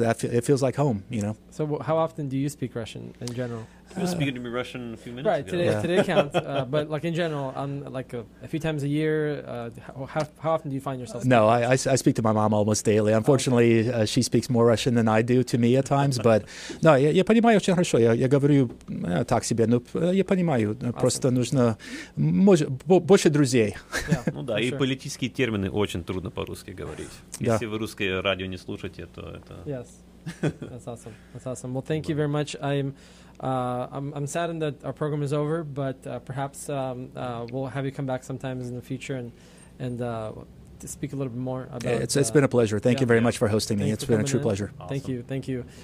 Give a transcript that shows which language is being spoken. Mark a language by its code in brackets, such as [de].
[en] It feels like home, you know. So how often do you speak Russian in general? You were speaking to me Russian a few minutes ago. Right, today, yeah. Today counts. But like in general, like a few times a year, how often do you find yourself speaking Russian? No, I speak to my mom almost daily. Unfortunately, okay. She speaks more Russian than I do to me at times. But no, [ru] я понимаю очень хорошо. Я говорю так себе, но я понимаю. Просто нужно больше друзей. Ну да, и политические термины очень трудно по-русски говорить. Если вы русское радио не слушаете, то это... [en] Yes, that's awesome. That's awesome. Well, thank you very much. I'm saddened that our program is over, but perhaps we'll have you come back sometimes in the future and speak a little bit more about it. It's been a pleasure. Thank you very much for hosting me. It's been a true pleasure. Awesome. Thank you.